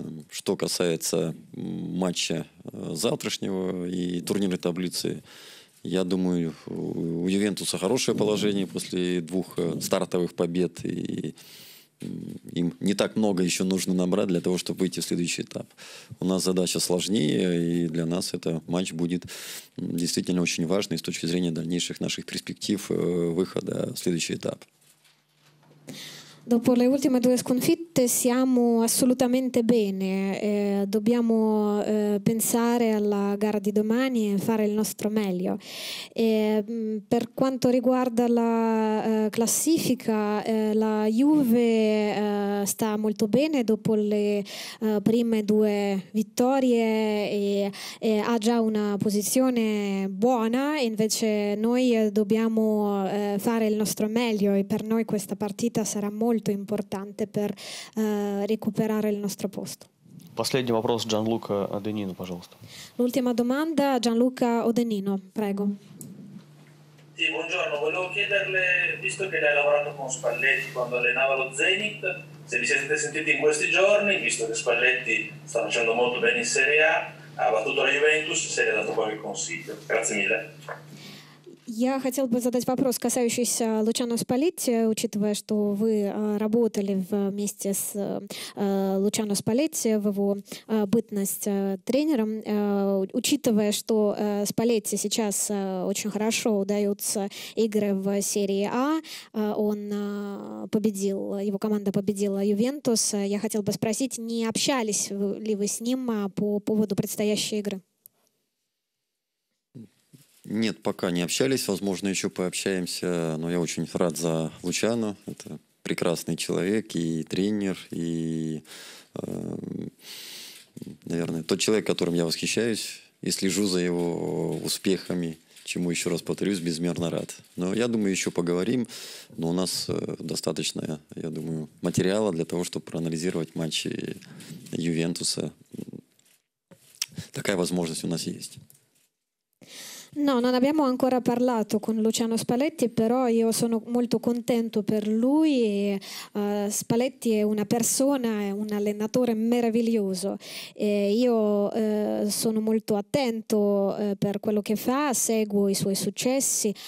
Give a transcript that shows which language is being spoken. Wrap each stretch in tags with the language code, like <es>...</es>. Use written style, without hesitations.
<ru>Что касается матча завтрашнего и турнирной таблицы, я думаю, у Ювентуса хорошее положение после двух стартовых побед. И им не так много еще нужно набрать для того, чтобы выйти в следующий этап. У нас задача сложнее, и для нас этот матч будет действительно очень важный с точки зрения дальнейших наших перспектив выхода в следующий этап.</ru> <it>Dopo le ultime due sconfitte siamo assolutamente bene, dobbiamo pensare alla gara di domani e fare il nostro meglio. Per quanto riguarda la classifica, la Juve sta molto bene dopo le prime due vittorie e ha già una posizione buona, invece noi dobbiamo fare il nostro meglio e per noi questa partita sarà molto importante per recuperare il nostro posto.</it> <ru>Последний вопрос Gianluca Odenino, пожалуйста.</ru> <it>L'ultima domanda Gianluca Odenino, prego. Sì, buongiorno, volevo chiederle, visto che lei ha lavorato con Spalletti quando allenava lo Zenit, se vi siete sentiti in questi giorni, visto che Spalletti sta facendo molto bene in Serie A, ha battuto la Juventus, se le ha dato qualche consiglio. Грazie mille.</it> <ru>Я хотел бы задать вопрос, касающийся Лучано Спалетти, учитывая, что вы работали вместе с Лучано Спалетти в его бытность тренером. Учитывая, что Спалетти сейчас очень хорошо удаются игры в серии А, он победил, его команда победила Ювентус. Я хотел бы спросить, не общались ли вы с ним по поводу предстоящей игры? Нет, пока не общались. Возможно, еще пообщаемся. Но я очень рад за Лучано. Это прекрасный человек и тренер. И, наверное, тот человек, которым я восхищаюсь и слежу за его успехами, чему еще раз повторюсь, безмерно рад. Но я думаю, еще поговорим. Но у нас достаточно, я думаю, материала для того, чтобы проанализировать матчи Ювентуса. Такая возможность у нас есть.</ru> <it>No, non abbiamo ancora parlato con Luciano Spalletti, però io sono molto contento per lui. Spalletti è una persona, è un allenatore meraviglioso. Io sono molto attento per quello che fa, seguo i suoi successi.</it>